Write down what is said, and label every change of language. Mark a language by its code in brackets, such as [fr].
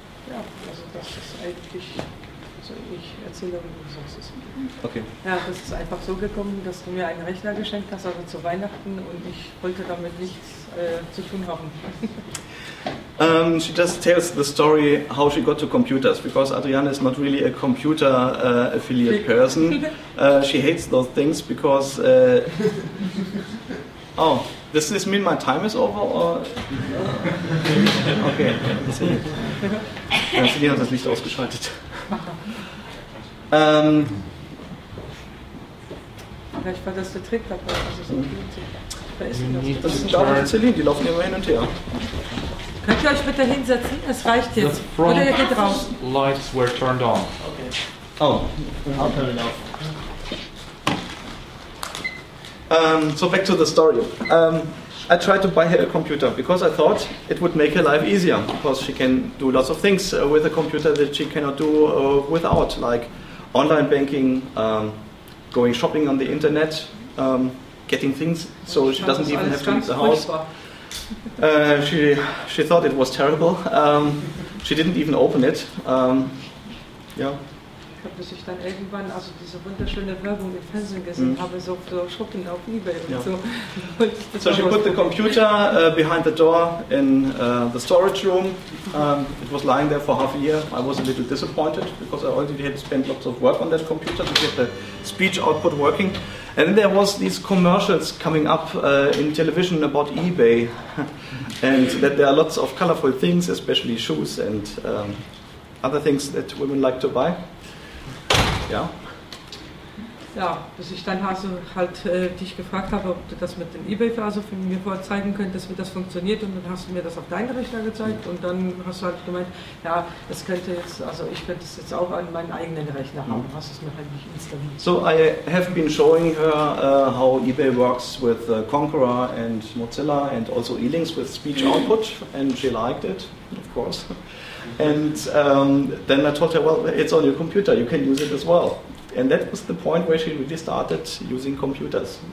[de] Ja, also das ist eigentlich, also ich erzähle, wie du sagst es. Okay. Ja, das ist einfach so gekommen, dass du mir einen Rechner geschenkt hast, also zu Weihnachten, und ich wollte damit nichts zu tun haben. [en] She just tells the story how she got to computers, because Adriana is not really a computer affiliate person. She hates those things because... oh, does this mean my time is over? Or? Okay, let's see. [de] Sie hat das Licht ausgeschaltet. Vielleicht war das der Trick, da war das so gut. Das sind David und Celine, die laufen immer hin und her. Könnt ihr euch bitte hinsetzen? Es reicht jetzt. [en] The front [de] oder ihr geht raus. [en] Lights were turned on. Okay. Oh, I'll turn it off. So back to the story. I tried to buy her a computer because I thought it would make her life easier, because she can do lots of things with a computer that she cannot do without, like online banking, going shopping on the internet, getting things so she doesn't even have to leave the house. She thought it was terrible. She didn't even open it. [de] Ich glaube, dass ich dann irgendwann also diese wunderschöne Werbung im Fernsehen gesehen habe, so shopping auf eBay und so. [en] So she put the computer behind the door in the storage room. It was lying there for half a year. I was a little disappointed because I already had spent lots of work on that computer to get the speech output working. And then there was these commercials coming up in television about eBay and that there are lots of colorful things, especially shoes and other things that women like to buy. Ja. [de] Ja, bis ich dann also halt dich gefragt habe, ob du das mit dem eBay also für mir vorzeigen könntest, wie das funktioniert, und dann hast du mir das auf deinen Rechner gezeigt und dann hast du halt gemeint, ja, das könnte jetzt, also ich könnte es jetzt auch an meinen eigenen Rechner haben, hast es mir halt nicht installiert. [en] So I have been showing her how eBay works with Conqueror and Mozilla and also E-Links with speech output, and she liked it, of course. And then I told her, well, it's on your computer, you can use it as well. And that was the point where she really started using computers.